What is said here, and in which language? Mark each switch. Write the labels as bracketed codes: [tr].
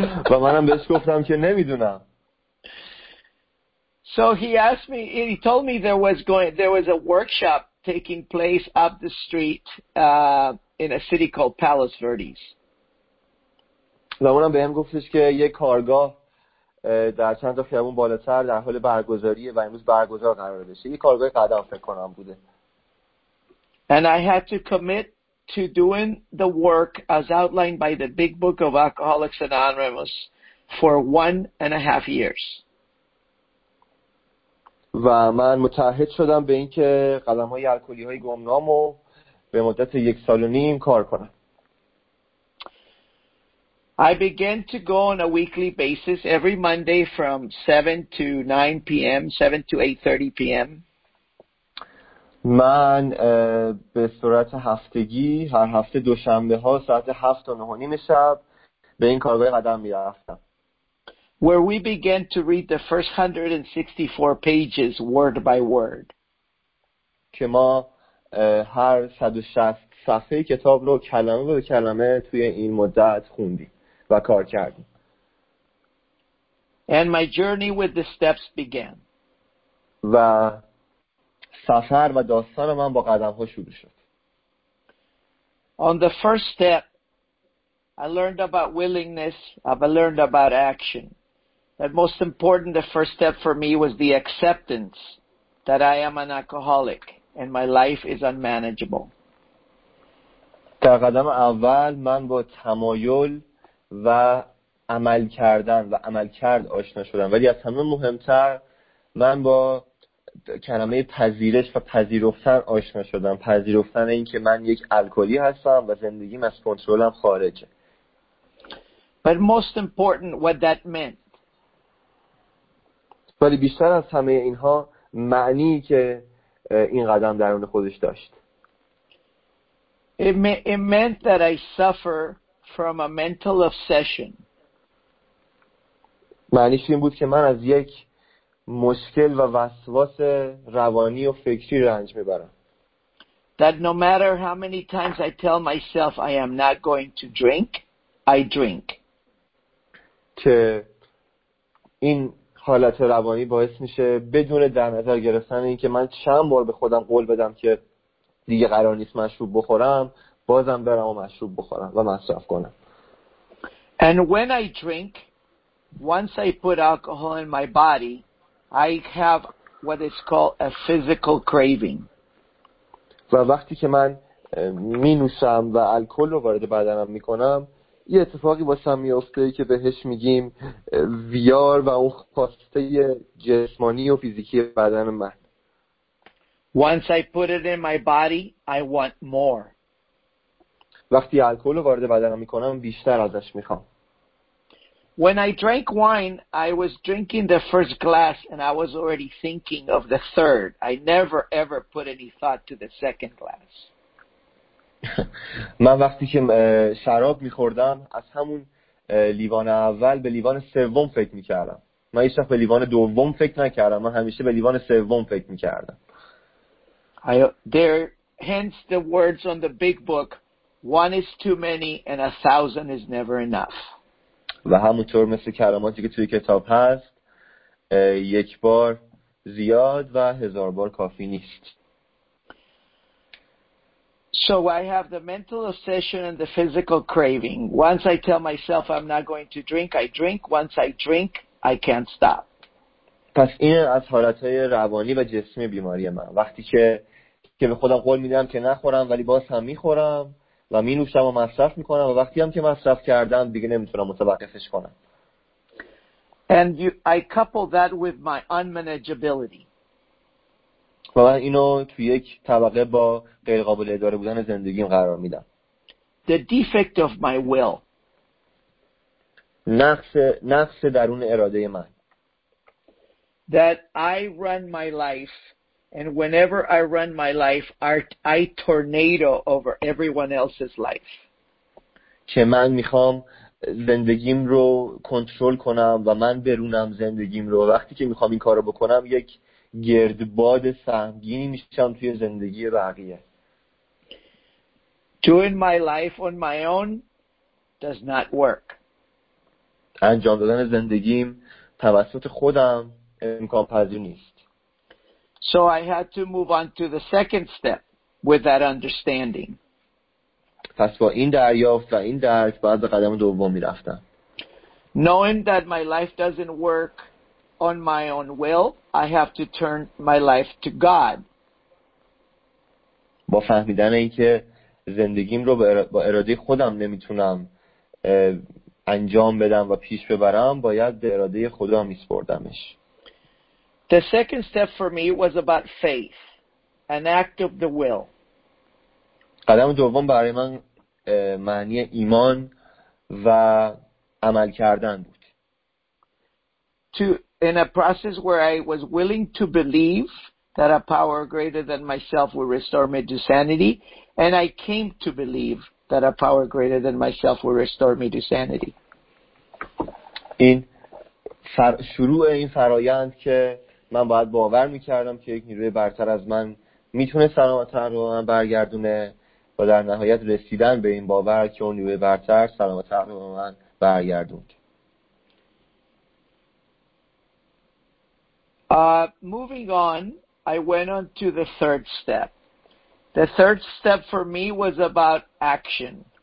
[fa] و منم بهش گفتم که نمیدونم. [en] So he asked me, he told me there was a workshop taking place up the street in a city called Palos Verdes. [fa] و اونم به هم گفتش که یه کارگاه در چند تا خیابون بالاتر در حال برگزاریه و امروز برگزار قرار بشه. یه کارگاه قدم فکر کنم بوده. [en] And I had to commit to doing the work as outlined by the Big Book of Alcoholics Anonymous for 1.5 years. [fa] و من متعهد شدم به اینکه قلم‌های الکلی‌های گمنامو به مدت 1.5 سال کار کنم. [en] I began to go on a weekly basis every Monday from 7 to 9 p.m., 7 to 8:30 p.m. [fa] من به صورت هفتگی هر هفته دوشنبه ها ساعت 7 تا 9 نیم شب به این کارگاه قدم می‌رفتم. [en] Where we began to read the first 164 pages word by word. [fa] که ما هر 160 صفحه کتاب رو کلمه به کلمه توی این مدت خوندیم. و کار کردم. [en] And my journey with the steps began. [fa] و سفر و داستان من با قدم‌ها شروع شد. [en] On the first step, I learned about willingness, I learned about action. And most important, the first step for me was the acceptance that I am an alcoholic and my life is unmanageable. [fa] در قدم اول من با تمایل و عمل کردن و عمل کرد آشنا شدم، ولی از همه مهمتر من با کلمه پذیرش و پذیرفتن آشنا شدم، پذیرفتن این که من یک الکلی هستم و زندگیم از کنترلم خارجه. [en] But most important what that meant. [fa] ولی بیشتر از همه اینها معنی که این قدم درون خودش داشت. [en] It meant that I suffer from a mental obsession. [fa] معنیش این بود که من از یک مشکل و وسواس روانی و فکری رنج میبرم. [en] That no matter how many times I tell myself I am not going to drink, I drink. [fa] که این حالت روانی باعث میشه بدون در نظر گرفتن این که من چند بار به خودم قول بدم که دیگه قرار نیست مشروب بخورم، بازم برم و مشروب بخورم و مصرف کنم. [en] And when I drink, once I put alcohol in my body, I have what is called a physical craving. [fa] و وقتی که من می نوشم و الکل رو وارد بدنم می کنم، یه اتفاقی واسم می افته که بهش میگیم ویار و اون خواسته جسمانی و فیزیکی بدن من. [en] Once I put it in my body, I want more. [fa] وقتی الکل رو وارد بدنم می کنم، بیشتر ازش می خوام. [en] When I drank wine, I was drinking the first glass and I was already thinking of the third. I never ever put any thought to the second glass. [fa] من وقتی که شراب می‌خوردم از همون لیوان اول به لیوان سوم فکر می‌کردم. من هیچ‌وقت به لیوان دوم فکر نکردم، من همیشه به لیوان سوم فکر می‌کردم. [en] Hence the words on the big book, one is too many and a thousand is never enough. [fa] و همونطور مثل کلماتی که توی کتاب هست، یک بار زیاد و هزار بار کافی نیست. [en] So I have the mental obsession and the physical craving. Once I tell myself I'm not going to drink, I drink. Once I drink, I can't stop. [fa] پس این از حالتهای روانی و جسمی بیماری من. وقتی که به خودم قول میدم که نخورم ولی باز هم میخورم و می نوشتم و مصرف می کنم و وقتی هم که مصرف کردم دیگه نمیتونم متوقفش کنم. [en] And I couple that with my unmanageability. [fa] و من اینو توی یک طبقه با غیر قابل اداره بودن زندگیم قرار میدم. [en] The defect of my will. [fa] نقص درون اراده من. [en] That I run my life. And whenever I run my life, I tornado over everyone else's life. [fa] که من میخوام زندگیم رو کنترل کنم و من برونم زندگیم رو. وقتی که میخوام این کار رو بکنم، یک گردباد سهمگینی میشم توی زندگی بقیه. [en] Doing my life on my own does not work. [fa] انجام دادن زندگیم توسط خودم امکان پذیر نیست. [en] So I had to move on to the second step with that understanding. [fa] پس با این دریافت و این درک بعد به قدم دوم می رفتم. [en] Knowing that my life doesn't work on my own will, I have to turn my life to God. [fa] با فهمیدن اینکه زندگیم رو با اراده خودم نمیتونم انجام بدم و پیش ببرم، باید به اراده خدا میسپردمش. [en] The second step for me was about faith, an act of the will. [fa] قدم دوم برای من معنی ایمان و عمل کردن بود. [en] In a process where I was willing to believe that a power greater than myself will restore me to sanity, and I came to believe that a power greater than myself will restore me to sanity. [fa] این شروع این فرایند که من باید باور میکردم که یک نیروی برتر از من میتونه سلامتم رو من برگردونه و در نهایت رسیدن به این باور که اون نیروی برتر سلامتم رو من برگردوند. [en] Moving on, I went on to the third step. The third step for me was about action.